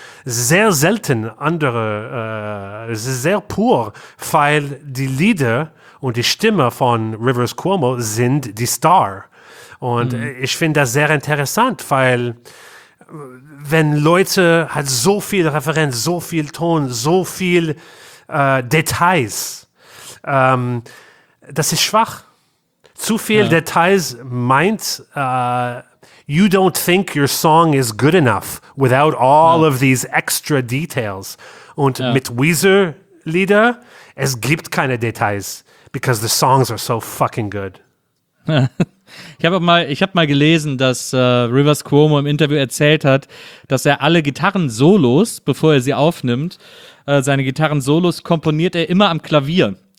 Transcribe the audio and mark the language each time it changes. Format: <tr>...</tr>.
<de>Sehr selten andere, es ist sehr pur, weil die Lieder und die Stimme von Rivers Cuomo sind die Star. Und ich finde das sehr interessant, weil wenn Leute hat so viel Referenz, so viel Ton, so viel Details, das ist schwach. Zu viel Details meint,</de> <en>you don't think your song is good enough without all of these extra details.</en> <de>Und mit Weezer-Lieder, es gibt keine Details,</de> <en>because the songs are so fucking good.</en> <de>Ich hab mal gelesen, dass Rivers Cuomo im Interview erzählt hat, dass er alle Gitarren-Solos, bevor er sie aufnimmt, seine Gitarren-Solos komponiert er immer am Klavier.</de>